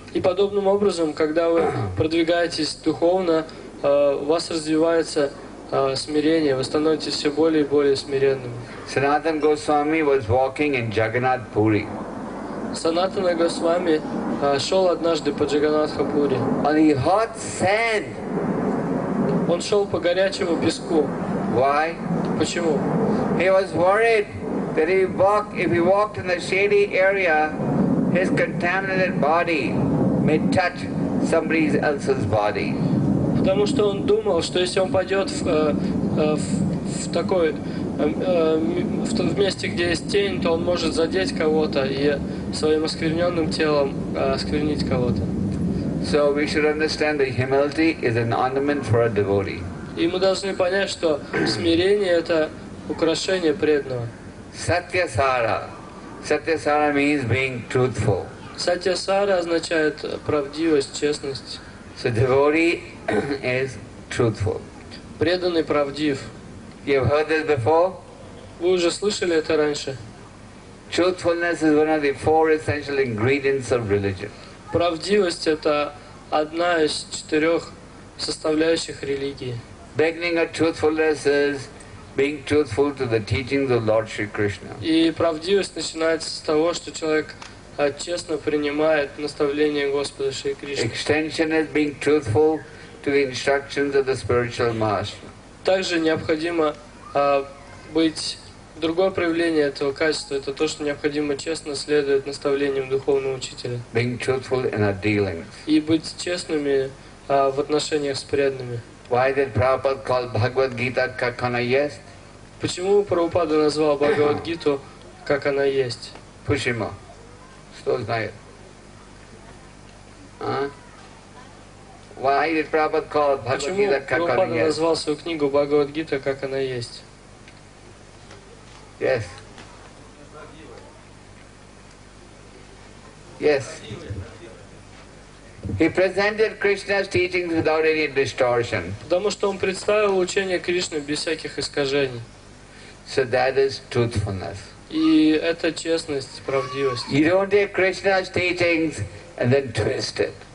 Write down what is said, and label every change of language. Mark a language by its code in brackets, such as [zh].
[ru] И подобным образом, когда вы продвигаетесь духовно, у вас развивается смирение, вы становитесь все более и более смиренными. [en] Sanatan Goswami was walking in Jagannath Puri. [ru] Санатана Госвами шел однажды по Джаганатхапури. [en] On the hot sand. [ru] Он шел по горячему песку. [en] Why? [ru] Почему? [en] He was worried that if he walked in the shady area, his contaminated body may touch somebody else's body. [ru] Потому что он думал, что если он пойдет в такой в месте, где есть тень, то он может задеть кого-то и своим оскверненным телом осквернить кого-то. [en] So we should understand that humility is an ornament for a devotee. [ru] И мы должны понять, что смирение это украшение преданного. [en] Satyasara. Satyasara means being truthful. [ru] Satyasara означает правдивость, честность. [en] So devotee is truthful. [ru] Преданный правдив. [en] You've heard this before? [ru] Вы уже слышали это раньше? [en] Truthfulness is one of the four essential ingredients of religion. [ru] Правдивость это одна из четырех составляющих религии. [en] Beginning of truthfulness is being truthful to the teachings of Lord Sri Krishna. [ru] И правдивость начинается с того, что человек честно принимает наставления Господа Шри Кришны. [en] Extension is being truthful to the instructions of the spiritual master. [ru] Также необходимо быть другое проявление этого качества это то, что необходимо честно следовать наставлениям духовного учителя. [en] Being truthful in our dealings. [ru] И быть честными в отношениях с преданными. [en] Why did Prabhupada call Bhagavad Gita [ru] как она есть? Почему Прабхупада назвал Бхагавад Гиту как она есть? Почему? Что знает? [en] Why did Prabhupada call Bhagavad Gita [ru] как она есть? Почему Прабхупада назвал свою книгу Бхагавад Гита как она есть? [en] Yes. Yes. He presented Krishna's teachings without any distortion. [ru] Потому что он представил учение Кришны без всяких искажений. [en] So that is truthfulness. [ru] И это честность, правдивость. [en] You don't take Krishna's teachings and then twist it.